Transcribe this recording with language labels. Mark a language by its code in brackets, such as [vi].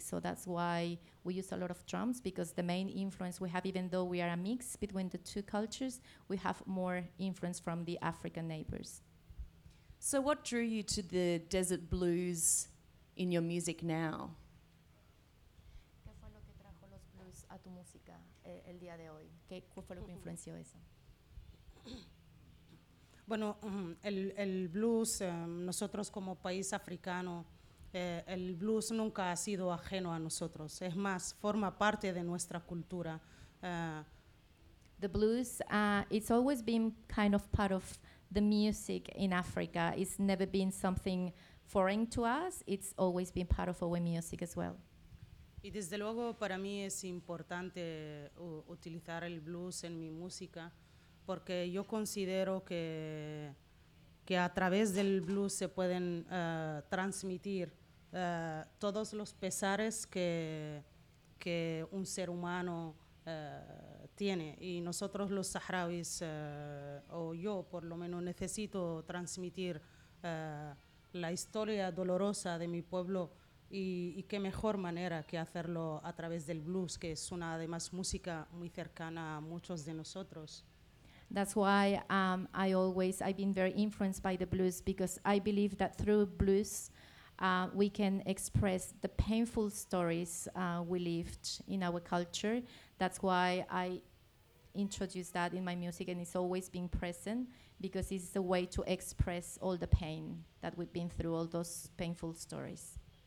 [en] So that's why we use a lot of drums, because the main influence we have, even though we are a mix between the two cultures, we have more influence from the African neighbors. So what drew you to the desert blues in your music now? [es] ¿Qué fue lo que trajo los blues a tu música el día de hoy? ¿Qué fue lo que influenció eso? Bueno, el blues, nosotros como país africano, el blues nunca ha sido ajeno a nosotros. Es más, forma parte de nuestra cultura. [en] The blues, it's always been kind of part of the music in Africa. It's never been something foreign to us. It's always been part of our music as well. [es] Y desde luego para mí es importante utilizar el blues en mi música, porque yo considero que a través del blues se pueden transmitir todos los pesares que un ser humano tiene. Y nosotros los saharauis, o yo por lo menos, necesito transmitir la historia dolorosa de mi pueblo, y qué mejor manera que hacerlo a través del blues, que es una además música muy cercana a muchos de nosotros. [en] That's why I've been very influenced by the blues, because I believe that through blues we can express the painful stories we lived in our culture. That's why I introduced that in my music, and it's always been present, because it's a way to express all the pain that we've been through, all those painful stories.